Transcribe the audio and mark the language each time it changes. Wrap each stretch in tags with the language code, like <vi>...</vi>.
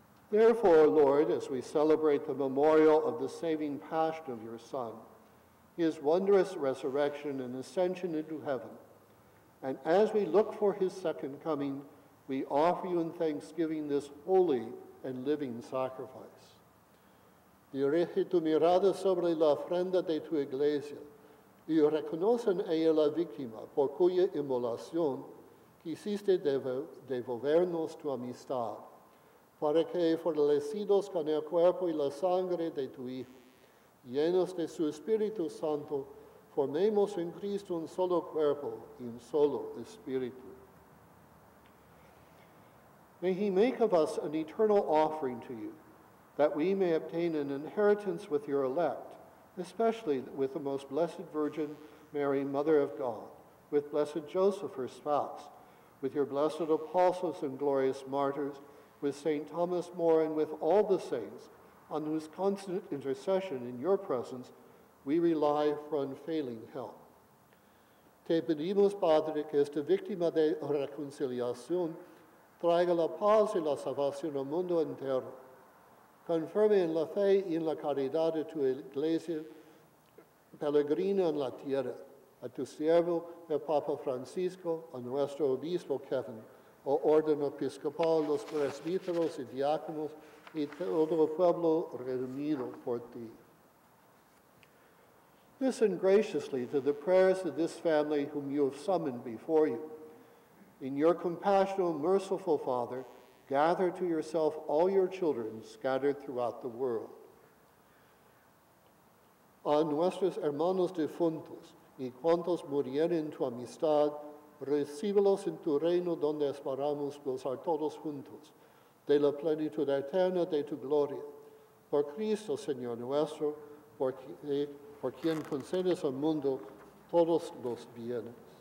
<en>Therefore, Lord, as we celebrate the memorial of the saving passion of your Son, his wondrous resurrection and ascension into heaven, and as we look for his second coming, we offer you in thanksgiving this holy and living sacrifice.</en> <es>Dirige tu mirada sobre la ofrenda de tu iglesia y reconoce en ella la víctima por cuya inmolación quisiste devolvernos tu amistad, para que, fortalecidos con el cuerpo y la sangre de tu Hijo, llenos de su Espíritu Santo, formemos en Cristo un solo cuerpo y un solo Espíritu.</es> <en>May he make of us an eternal offering to you, that we may obtain an inheritance with your elect, especially with the most blessed Virgin Mary, Mother of God, with blessed Joseph, her spouse, with your blessed apostles and glorious martyrs, with St. Thomas More, and with all the saints, on whose constant intercession in your presence we rely for unfailing help.</en> <es>Te pedimos, Padre, que esta víctima de reconciliación traiga la paz y la salvación al mundo entero. Confirme en la fe y en la caridad de tu iglesia peregrina en la tierra, a tu siervo, el Papa Francisco, a nuestro obispo Kevin, o orden episcopal, los presbíteros y diáconos, y todo el pueblo reunido por ti.</es> <en>Listen graciously to the prayers of this family whom you have summoned before you. In your compassionate, merciful Father, gather to yourself all your children scattered throughout the world.</en> <es>A nuestros hermanos difuntos, y cuantos murieron en tu amistad, recíbelos en tu reino donde esperamos gozar todos juntos de la plenitud eterna de tu gloria. Por Cristo, Señor nuestro, por quien concedes al mundo todos los bienes.</es>